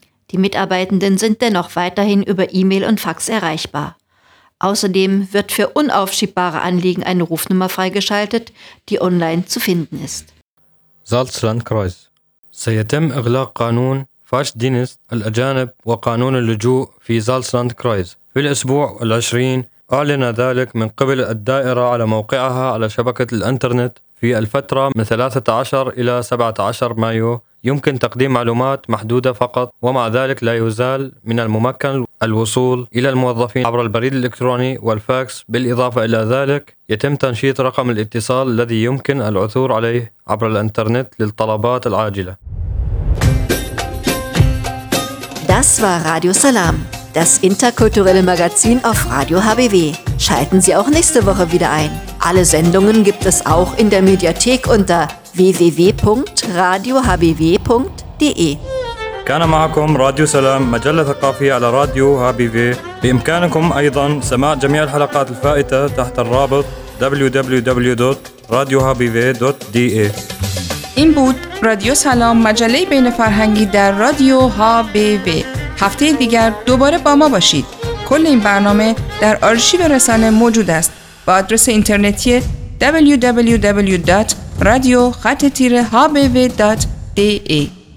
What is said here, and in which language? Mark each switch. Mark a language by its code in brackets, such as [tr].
[de] Die Mitarbeitenden sind dennoch weiterhin über E-Mail und Fax erreichbar. Außerdem wird für unaufschiebbare Anliegen eine Rufnummer freigeschaltet, die online zu finden ist. Salzlandkreis. [ar] سيتم إغلاق قانون فاش دينس الأجانب وقانون اللجوء في سالسلاند كرايز في الأسبوع 20 أعلن ذلك من قبل الدائرة على موقعها على شبكة الأنترنت في الفترة من 13 إلى 17 مايو يمكن تقديم معلومات محدودة فقط ومع ذلك لا يزال من الممكن الوصول إلى الموظفين عبر البريد الإلكتروني والفاكس بالإضافة إلى ذلك يتم تنشيط رقم الاتصال الذي يمكن العثور عليه عبر الإنترنت للطلبات العاجلة. [de] Das war Radio Salam, das interkulturelle Magazin auf Radio HBW. Schalten Sie auch nächste Woche wieder ein. Alle Sendungen gibt es auch in der Mediathek unter www.radiohbw.de. [ar] كان معكم راديو سلام مجلة ثقافية على راديو HBW. بإمكانكم أيضا سماع جميع الحلقات الفائتة تحت الرابط www.radiohbw.de. [fa] این بود رادیو سلام مجله بین فرهنگی در رادیو HBW. هفته دیگر دوباره با ما باشید. کل این برنامه در آرشیو رسانه موجود است با آدرس اینترنتی www.radio-hbw.de.